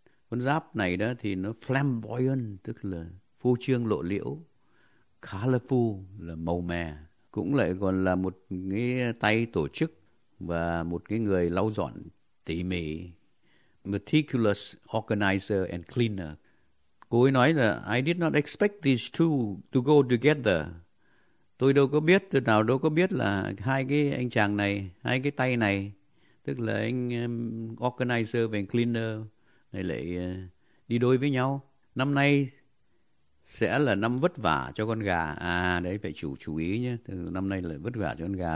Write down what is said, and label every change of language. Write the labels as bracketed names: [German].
[Vietnamese] Con giáp này đó thì nó flamboyant, tức là phô trương lộ liễu, colorful là màu mè, cũng lại còn là một cái tay tổ chức và một cái người lau dọn tỉ mỉ, meticulous organizer and cleaner. Cô ấy nói là [English] I did not expect these two to go together. [Vietnamese] Tôi đâu có biết, từ nào đâu có biết là hai cái anh chàng này, hai cái tay này, tức là anh organizer và anh cleaner này lại đi đôi với nhau. Năm nay sẽ là năm vất vả cho con gà. À đấy, phải chú ý nhé. Từ năm nay là vất vả cho con gà.